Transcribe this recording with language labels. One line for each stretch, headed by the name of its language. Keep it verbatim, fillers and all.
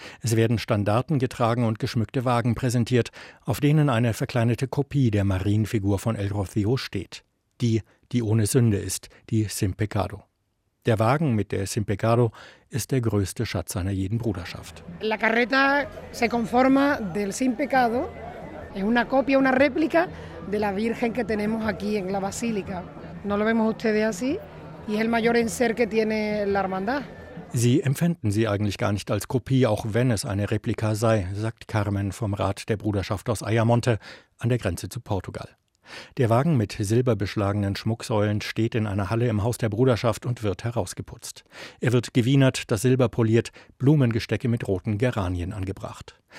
German: Es werden Standarten getragen und geschmückte Wagen präsentiert, auf denen eine verkleinerte Kopie der Marienfigur von El Rocío steht. Die, die ohne Sünde ist, die Sin Pecado. Der Wagen mit der Sin Pecado ist der größte Schatz einer jeden Bruderschaft.
Spanish: La carreta se conforma del Sin Pecado. Es una copia, una réplica de la Virgen que tenemos aquí en la Basílica. No lo vemos ustedes así y es el mayor enser que tiene la hermandad.
German: Sie empfänden sie eigentlich gar nicht als Kopie, auch wenn es eine Replika sei, sagt Carmen vom Rat der Bruderschaft aus Ayamonte an der Grenze zu Portugal. Der Wagen mit silberbeschlagenen Schmucksäulen steht in einer Halle im Haus der Bruderschaft und wird herausgeputzt. Er wird gewienert, das Silber poliert, Blumengestecke mit roten Geranien angebracht.